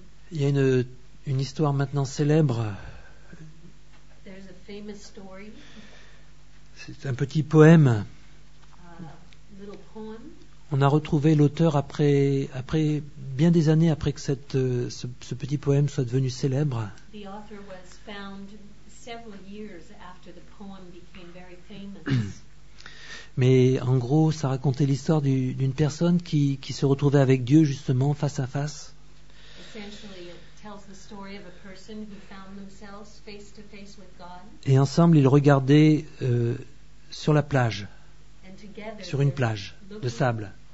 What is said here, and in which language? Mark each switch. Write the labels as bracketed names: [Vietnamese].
[French] Il y a une histoire maintenant célèbre. [English] There's a famous story. [French] C'est un petit poème. [English] Little poem. [French] On a retrouvé l'auteur après bien des années après que ce petit poème soit devenu célèbre. [English] The author was found several years after the poem became very famous. [French] Mais en gros, ça racontait l'histoire d'une personne qui se retrouvait avec Dieu justement face à face. [English] Essentially, it tells the story of a person who found themselves face to face with God. [French] Et ensemble, ils regardaient sur la plage, sur une plage de sable.